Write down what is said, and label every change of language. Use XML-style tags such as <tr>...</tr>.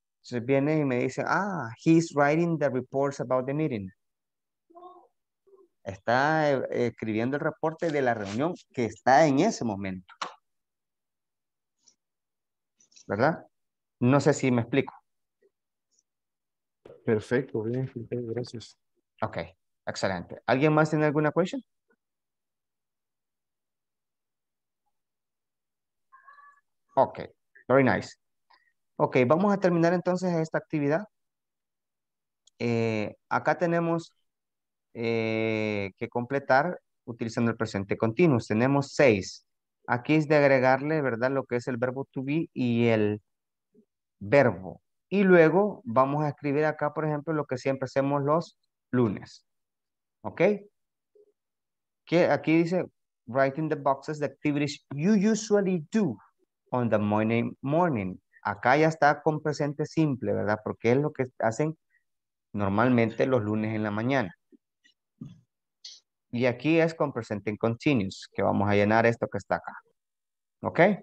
<es>Entonces viene y me dice,</es> <en>ah, he's writing the reports about the meeting.</en> <es>Está escribiendo el reporte de la reunión que está en ese momento. ¿Verdad? No sé si me explico. Perfecto, bien, gracias. Ok, excelente. ¿Alguien más tiene alguna question?</es> <en>Ok, very nice.</en> <es>Ok, vamos a terminar entonces esta actividad. Acá tenemos que completar utilizando el presente continuo. Tenemos 6. Aquí es de agregarle, ¿verdad?, lo que es el verbo to be y el verbo. Y luego vamos a escribir acá, por ejemplo, lo que siempre hacemos los lunes. ¿Ok? Que aquí dice,</es> <en>write in the boxes the activities you usually do on the morning.</en> <es>Acá ya está con presente simple, ¿verdad? Porque es lo que hacen normalmente los lunes en la mañana. Y aquí es con presente continuous, que vamos a llenar esto que está acá. ¿Ok?</es>